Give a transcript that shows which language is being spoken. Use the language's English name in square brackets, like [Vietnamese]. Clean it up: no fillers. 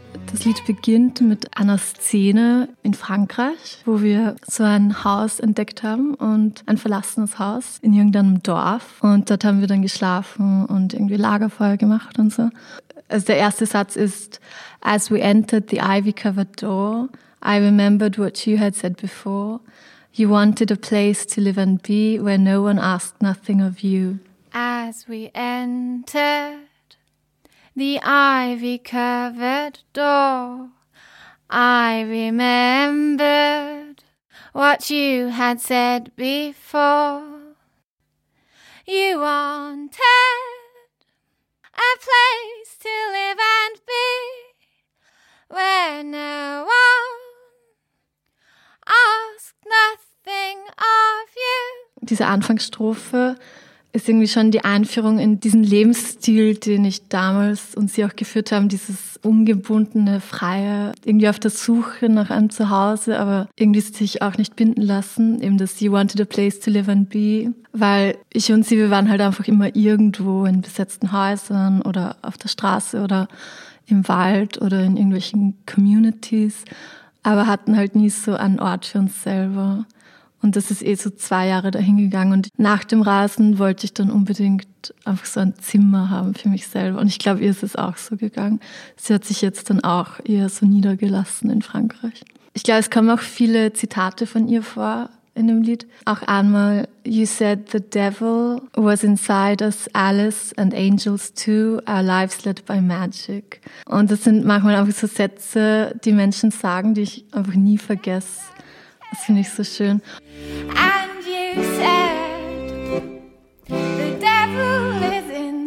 [German] Das Lied beginnt mit einer Szene in Frankreich, wo wir so ein Haus entdeckt haben und ein verlassenes Haus in irgendeinem Dorf. Und dort haben wir dann geschlafen und irgendwie Lagerfeuer gemacht und so. Also der erste Satz ist, [English] as we entered the ivy-covered door, I remembered what you had said before. You wanted a place to live and be where no one asked nothing of you. As we entered the ivy-covered door, I remembered what you had said before. You wanted a place to live and be where no one asked nothing of you. [German] Diese Anfangsstrophe ist irgendwie schon die Einführung in diesen Lebensstil, den ich damals und sie auch geführt haben, dieses ungebundene, freie, irgendwie auf der Suche nach einem Zuhause, aber irgendwie sich auch nicht binden lassen, eben das [English] You wanted a place to live and be, [German] weil ich und sie, wir waren halt einfach immer irgendwo in besetzten Häusern oder auf der Straße oder im Wald oder in irgendwelchen Communities, aber hatten halt nie so einen Ort für uns selber. Und das ist eh so 2 Jahre dahingegangen. Und nach dem Rasen wollte ich dann unbedingt einfach so ein Zimmer haben für mich selber. Und ich glaube, ihr ist es auch so gegangen. Sie hat sich jetzt dann auch eher so niedergelassen in Frankreich. Ich glaube, es kommen auch viele Zitate von ihr vor in dem Lied. Auch einmal, [English] you said the devil was inside us, Alice and angels too, our lives led by magic. [German] Und das sind manchmal einfach so Sätze, die Menschen sagen, die ich einfach nie vergesse. Das finde ich so schön. [English] And you said the devil is in.